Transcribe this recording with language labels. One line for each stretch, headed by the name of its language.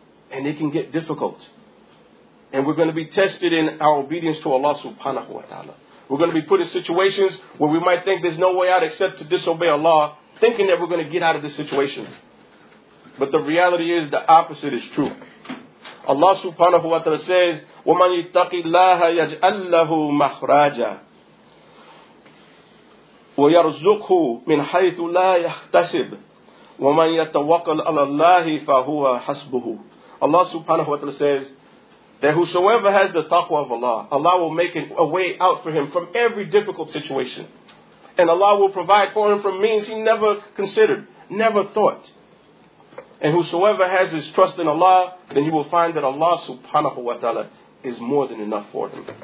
English: And it can get difficult. And we're going to be tested in our obedience to Allah subhanahu wa ta'ala. We're going to be put in situations where we might think there's no way out except to disobey Allah, thinking that we're going to get out of this situation. But the reality is the opposite is true. Allah subhanahu wa ta'ala says,
Arabic: وَمَنْ يَتَّقِ اللَّهَ يَجْعَلْ لَهُ مَخْرَاجًا وَيَرْزُقْهُ مِنْ حَيْثُ لَا يَحْتَسِبُ وَمَنْ يَتَوَقَّلْ عَلَى اللَّهِ فَهُوَ حَسْبُهُ.
English: Allah subhanahu wa ta'ala says that whosoever has the taqwa of Allah, Allah will make a way out for him from every difficult situation. And Allah will provide for him from means he never considered, never thought. And whosoever has his trust in Allah, then he will find that Allah subhanahu wa ta'ala is more than enough for him.